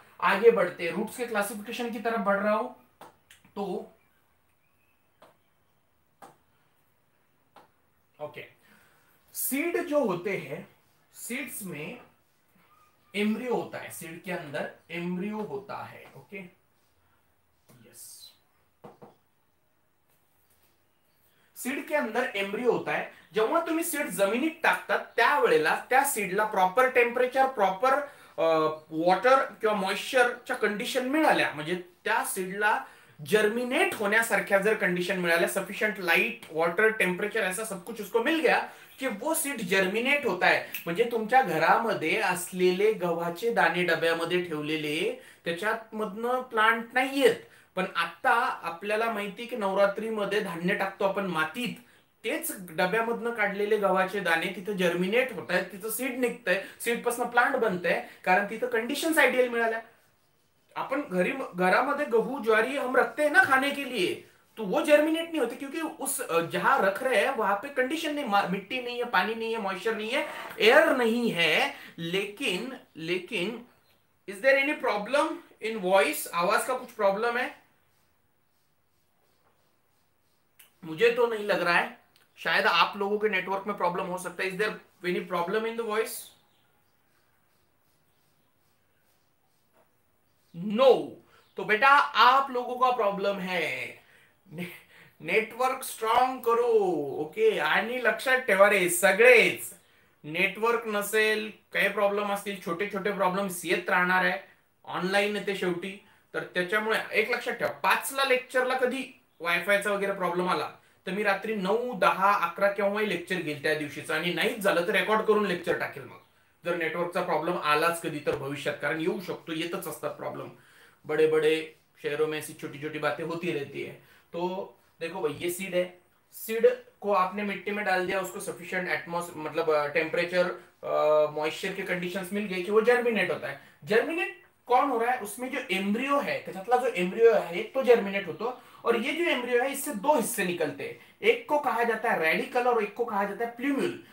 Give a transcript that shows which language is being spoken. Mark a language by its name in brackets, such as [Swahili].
[Hindi] आगे बढ़ते हैं, रूट्स के क्लासिफिकेशन की तरफ बढ़ रहा हूं। तो ओके, सीड जो होते हैं, सीड्स में एम्ब्रियो होता है, सीड के अंदर एम्ब्रियो होता है। ओके, यस, सीड के अंदर एम्ब्रियो होता है। [Marathi] जेव्हा तुम्ही सीड जमिनीत टाकता त्यावेळेला त्या सीडला प्रॉपर टेम्परेचर, प्रॉपर वॉटर किंवा मॉइश्चरच्या कंडिशन मिळाल्या, म्हणजे त्या सीडला जर्मिनेट होण्यासारख्या जर कंडिशन मिळाल्या, सफिशियंट लाइट, वॉटर, टेम्परेचर, [Hindi] ऐसा सब कुछ उसको मिल गया कि वो सीड जर्मिनेट होता है, [Marathi] म्हणजे तुमच्या घरामध्ये असलेले गव्हाचे दाणे डब्यामध्ये ठेवलेले त्याच्यामधनं प्लांट नाहीयेत, पण आता आपल्याला माहिती की नवरात्रीमध्ये धान्य टाकतो आपण मातीत, तेच डब्यामधनं काढलेले गव्हाचे दाणे तिथे जर्मिनेट होत आहेत, तिथं सीड निघतंय, सीड पासून प्लांट बनतंय, कारण तिथं कंडिशन्स आयडियल मिळाल्या। अपन घरी घरामध्ये गहू ज्वारी [Hindi] हम रखते हैं ना खाने के लिए, तो वो जर्मिनेट नहीं होते क्योंकि उस जहां रख रहे हैं वहां पे कंडीशन नहीं, मिट्टी नहीं है, पानी नहीं है, मॉइस्चर नहीं है, एयर नहीं है। लेकिन लेकिन [English] is there any problem in voice, [Hindi] आवाज का कुछ प्रॉब्लम है? मुझे तो नहीं लग रहा है, शायद आप लोगों के नेटवर्क में प्रॉब्लम हो सकता है। [English] Is there any problem in the voice? [Hindi] No, तो बेटा आप लोगों का प्रॉब्लम है, नेटवर्क स्ट्रॉन्ग करो। [Marathi] ओके, आणि लक्षात ठेवा रे सगळेच, नेटवर्क नसेल काही प्रॉब्लेम असतील, छोटे छोटे प्रॉब्लेम्स येत राहणार आहे, ऑनलाईन येते शेवटी, तर त्याच्यामुळे एक लक्षात ठेवा, 5 ला लेक्चरला कधी वायफायचा वगैरे प्रॉब्लेम आला तर मी रात्री 9, 10, 11 केव्हाही लेक्चर घेईल त्या दिवशीचा, आणि नाहीच झालं तर रेकॉर्ड करून लेक्चर टाकेल मग, जर नेटवर्कचा प्रॉब्लेम आलाच कधी तर भविष्यात, कारण येऊ शकतो, येतच असतात प्रॉब्लेम, [Hindi] बडे बडे शहरों में ऐसी छोटी छोटी बातें होती रहती है। तो देखो भाई, ये सीड है, सीड को आपने मिट्टी में डाल दिया, उसको सफिशियंट एटमोस मतलब टेम्परेचर, मॉइस्चर के कंडीशंस मिल गए कि वो जर्मिनेट होता है। जर्मिनेट कौन हो रहा है? उसमें जो एम्ब्रियो है, जो एम्ब्रियो है एक तो जर्मिनेट होता है, और ये जो एम्ब्रियो है इससे दो हिस्से निकलते हैं, एक को कहा जाता है रेडिकल और एक को कहा जाता है प्लूम्यूल।